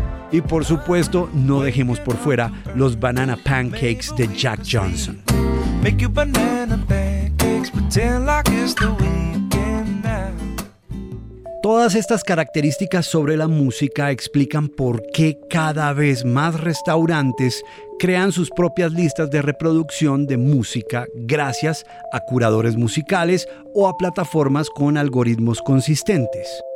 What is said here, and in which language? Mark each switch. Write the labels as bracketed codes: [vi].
[es] Y por supuesto, no dejemos por fuera los banana pancakes de Jack Johnson. [en] Make you banana pancakes, pretend like it's the weekend now. [es] Todas estas características sobre la música explican por qué cada vez más restaurantes crean sus propias listas de reproducción de música gracias a curadores musicales o a plataformas con algoritmos consistentes.